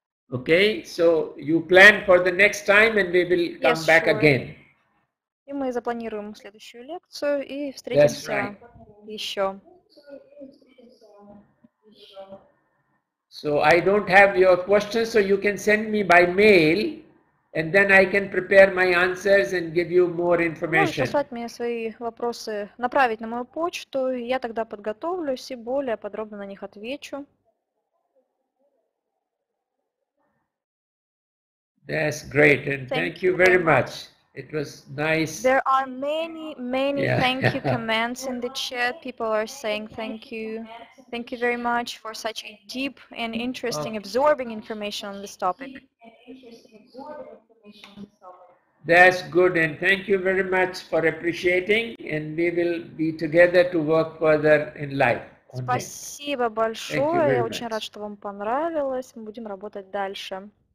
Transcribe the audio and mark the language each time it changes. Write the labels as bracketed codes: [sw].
[en] Okay, so you plan for the next time and we will come back again. [ru] И мы запланируем следующую лекцию и встретимся еще. [en] So I don't have your questions, so you can send me by mail, and then I can prepare my answers and give you more information. [ru] Можете послать мне свои вопросы, направить на мою почту, я тогда подготовлюсь и более подробно на них отвечу. [en] That's great, and thank you very much. It was nice. There are many, many thank you comments in the chat. People are saying thank you. Thank you very much for such a deep and interesting absorbing information on this topic. That's good, and thank you very much for appreciating, and we will be together to work further in life. [ru] Спасибо большое. Я очень рад, что вам понравилось. Мы будем работать дальше.